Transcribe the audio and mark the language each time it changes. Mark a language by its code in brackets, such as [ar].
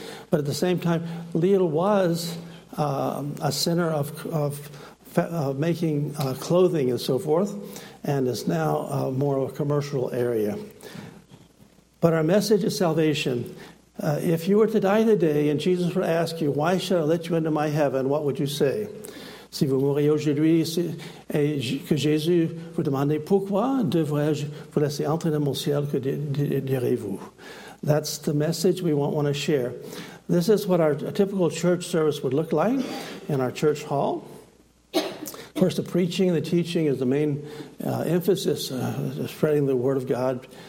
[en] But at the same time, Lille was a center of making clothing and so forth, and is now more of a commercial area. But our message is salvation. If you were to die today and Jesus were to ask you, why should I let you into my heaven, what would you say? [fr] Si vous mourriez aujourd'hui, et que Jésus vous demandait pourquoi devrais-je vous laisser entrer dans mon ciel, que direz-vous? [en] That's the message we want to share. This is what a typical church service would look like in our church hall. Of course, the preaching and the teaching is the main emphasis, spreading the word of God.